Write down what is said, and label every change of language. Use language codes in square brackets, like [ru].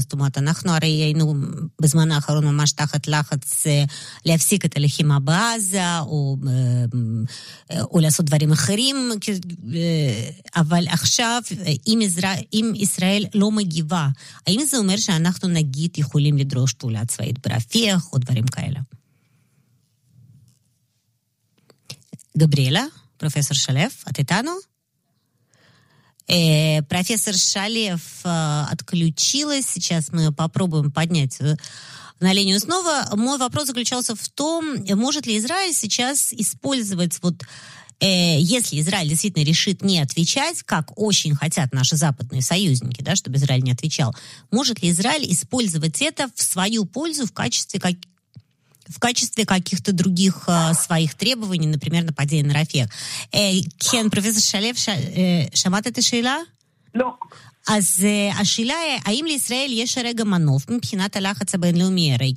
[he] זאת אומרת, אנחנו הרי היינו בזמן האחרון ממש תחת לחץ להפסיק את הלחימה בעזה, או לעשות דברים אחרים, אבל עכשיו, אם ישראל לא מגיבה, האם זה אומר שאנחנו נגיד יכולים לדרוש פעולה צבאית ברפיח, או דברים כאלה? גבריאלה, פרופסור שלף, את איתנו? [ru] Профессор Шалев отключилась. Сейчас мы попробуем поднять на линию снова. Мой вопрос заключался в том, может ли Израиль сейчас использовать, вот, если Израиль действительно решит не отвечать, как очень хотят наши западные союзники, да, чтобы Израиль не отвечал, может ли Израиль использовать это в свою пользу в качестве каких-то других своих требований, например, нападения на Рафех. [he] Кен, профессор Шалев, שמעת את השאלה? לא. אז השאלה היא, האם לישראל יש הרגע מנוף מבחינת הלחץ הבינלאומי?